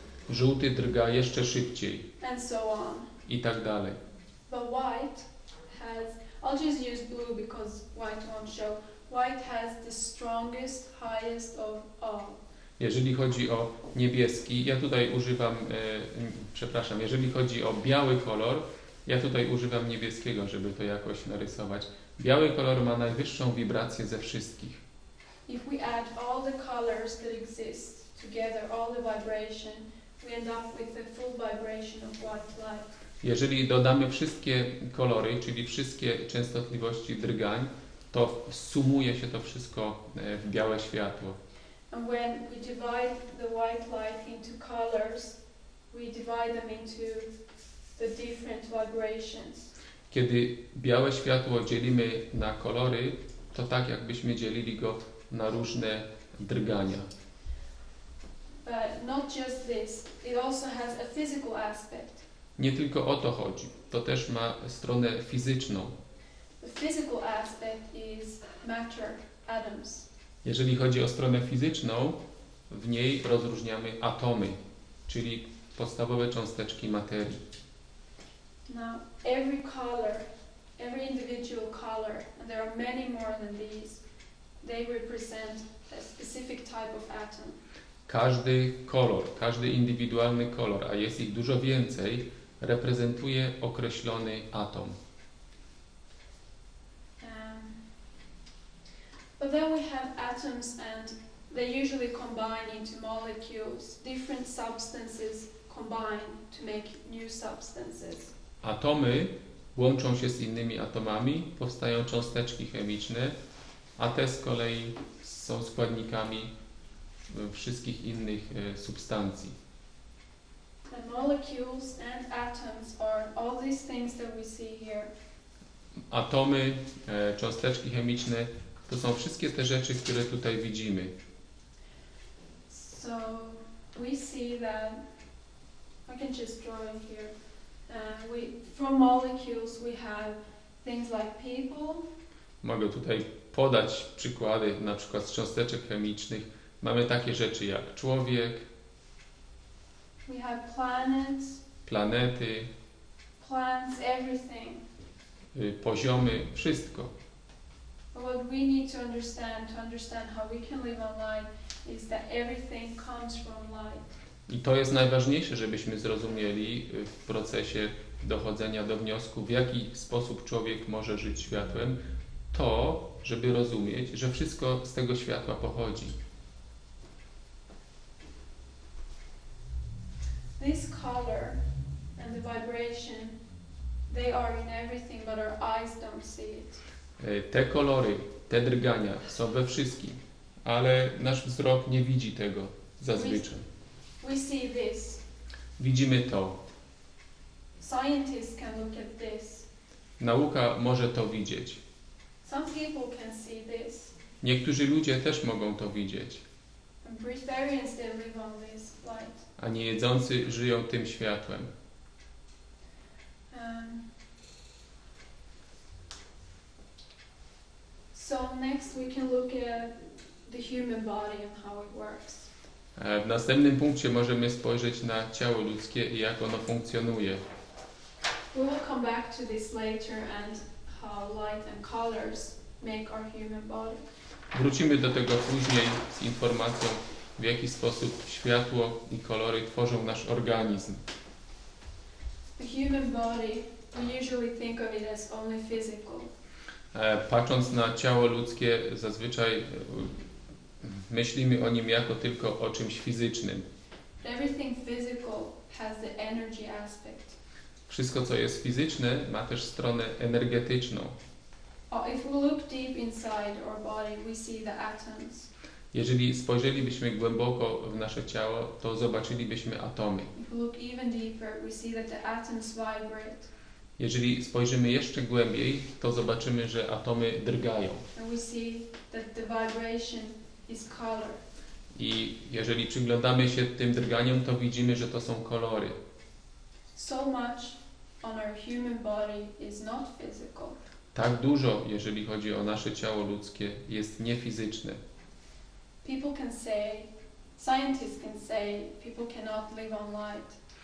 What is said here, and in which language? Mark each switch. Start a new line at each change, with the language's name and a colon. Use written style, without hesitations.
Polish: Żółty drga jeszcze szybciej.
English: And so on.
Polish: I tak dalej.
English: But white has, I'll just use blue because white won't show. White has the strongest, highest of all.
Polish: Jeżeli chodzi o niebieski, ja tutaj używam, przepraszam, jeżeli chodzi o biały kolor, ja tutaj używam niebieskiego, żeby to jakoś narysować. Biały kolor ma najwyższą wibrację ze wszystkich.
English: If we add all the colors that exist together, all the vibration, we end up with the full vibration of white light.
Polish: Jeżeli dodamy wszystkie kolory, czyli wszystkie częstotliwości drgań, to sumuje się to wszystko w białe światło.
English: And when we divide the white light into colors, we divide them into the different vibrations.
Polish: Kiedy białe światło dzielimy na kolory, to tak jakbyśmy dzielili go na różne drgania.
English: But not just this, it also has a physical aspect.
Polish: Nie tylko o to chodzi, to też ma stronę fizyczną.
English: The physical aspect is matter, atoms.
Polish: Jeżeli chodzi o stronę fizyczną, w niej rozróżniamy atomy, czyli podstawowe cząsteczki materii.
English: Now, every color, every individual color, and there are many more than these, they represent a specific type of atom.
Polish: Każdy kolor, każdy indywidualny kolor, a jest ich dużo więcej, reprezentuje określony atom.
English: But then we have atoms and they usually combine into molecules, different substances combine to make new substances.
Polish: Atomy łączą się z innymi atomami, powstają cząsteczki chemiczne, a te z kolei są składnikami wszystkich innych substancji.
English: The molecules and atoms are all these things that we see here.
Polish: Atomy, cząsteczki chemiczne to są wszystkie te rzeczy, które tutaj widzimy.
English: So we see that I can just draw it here. From molecules we have things like people.
Polish: Mogę tutaj podać przykłady, na przykład z cząsteczek chemicznych. Mamy takie rzeczy jak człowiek.
English: We have planets.
Polish: Planety.
English: Plants, everything.
Polish: Poziomy, wszystko.
English: What we need to understand how we can live on light is that everything comes from light.
Polish: I to jest najważniejsze, żebyśmy zrozumieli w procesie dochodzenia do wniosku, w jaki sposób człowiek może żyć światłem, to, żeby rozumieć, że wszystko z tego światła pochodzi.
English: This color and the vibration, they are in everything, but our eyes don't see it.
Polish: Te kolory, Te drgania są we wszystkim, ale nasz wzrok nie widzi tego zazwyczaj.
English: We see this.
Polish: Widzimy to.
English: Scientists can look at this.
Polish: Nauka może to widzieć.
English: Some people can see this.
Polish: Niektórzy ludzie też mogą to widzieć.
English: And vegetarians, they live on this light.
Polish: A niejedzący żyją tym światłem.
English: So next we can look at the human body and how it works.
Polish: W następnym punkcie możemy spojrzeć na ciało ludzkie i jak ono funkcjonuje.
English: We will come back to this later and how light and colors make our human body.
Polish: Wrócimy do tego później z informacją, w jaki sposób światło i kolory tworzą nasz organizm.
English: The human body, we usually think of it as only physical.
Polish: Patrząc na ciało ludzkie, zazwyczaj myślimy o nim jako tylko o czymś fizycznym.
English: Everything physical has the energy aspect.
Polish: Wszystko, co jest fizyczne, ma też stronę energetyczną.
English: If we look deep inside our body, we see the atoms.
Polish: Jeżeli spojrzelibyśmy głęboko w nasze ciało, to zobaczylibyśmy atomy.
English: If we look even deeper, we see that the atoms vibrate.
Polish: Jeżeli spojrzymy jeszcze głębiej, to zobaczymy, że atomy drgają.
English: And we see that the vibration is color.
Polish: I jeżeli przyglądamy się tym drganiom, to widzimy, że to są kolory.
English: So much on our human body is not physical.
Polish: Tak dużo, jeżeli chodzi o nasze ciało ludzkie, jest niefizyczne.
English: People can say, scientists can say, people cannot live on light.